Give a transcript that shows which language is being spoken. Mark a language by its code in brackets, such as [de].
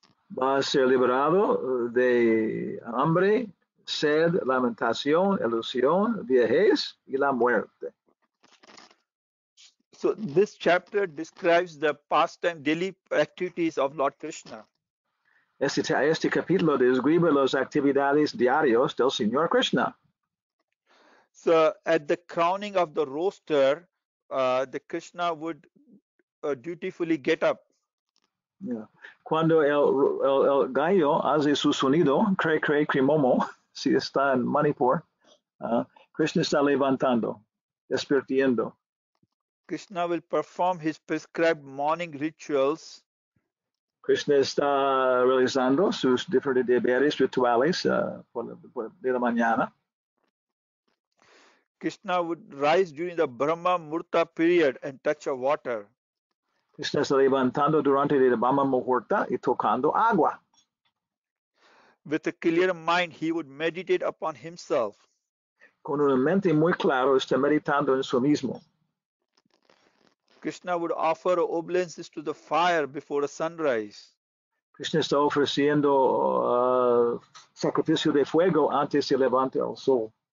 [es] Va a ser liberado de hambre, sed, lamentación, ilusión, viejez y la muerte. [en] So this chapter describes the pastime daily activities of Lord Krishna. [es] Este capítulo describe las actividades diarias del Señor Krishna. [en] So at the crowning of the rooster, the Krishna would dutifully get up. Yeah. [es] Cuando el gallo hace su sonido, cray cray crimomo, si está en Manipur, Krishna está levantando, despertando. [en] Krishna will perform his prescribed morning rituals. [es] Krishna está realizando sus diferentes deberes rituales de la mañana. [en] Krishna would rise during the Brahma Murta period and touch a water. [es] Krishna está levantando durante la Brahma Muhurta y tocando agua. [en] With a clear mind, he would meditate upon himself. [es] Con una mente muy clara, está meditando en su mismo. [en] Krishna would offer obeisances to the fire before the sunrise. [es] Krishna está ofreciendo sacrificio de fuego antes de levantar el sol.